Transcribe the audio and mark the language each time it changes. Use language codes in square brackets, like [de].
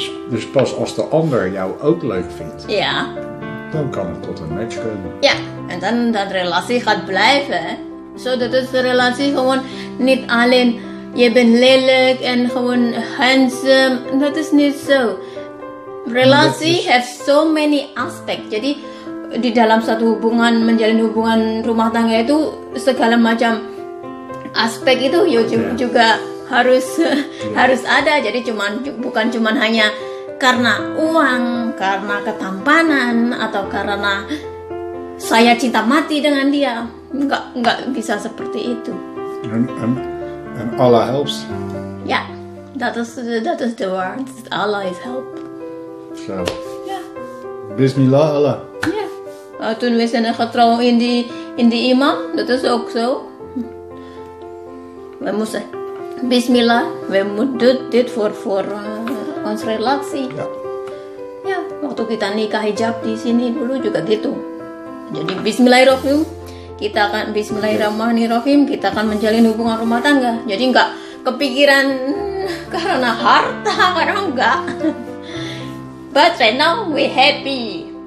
[nl] Dus pas als de ander jou ook leuk vindt, dan kan het tot een match komen. Ja, en dan dat relatie gaat blijven. Zodat is de relatie gewoon niet alleen, je bent lelijk en gewoon handsome. Dat is niet zo. Relatie heeft [en] so many aspects. [id] Jadi di dalam satu hubungan, menjalin hubungan rumah tangga itu, segala macam aspek itu juga harus ada. Jadi bukan cuman hanya karena uang, karena ketampanan, atau karena saya cinta mati dengan dia. Enggak bisa seperti itu. [en] And Allah helps. Ya, that is the word. Allah is help. So. Bismillah Allah. Ya. [nl] Toen we zijn getrouwd in die imam, dat is ook zo. We moesten. Bismillah, we moeten dit voor ons relatie. Ya, [id] waktu kita nikah hijab di sini dulu juga gitu. Jadi Bismillahirrahmanirrahim, kita akan Bismillahirrahmanirrahim, kita akan menjalin hubungan rumah tangga. Jadi enggak kepikiran karena harta, karena enggak. [en] But right now we happy.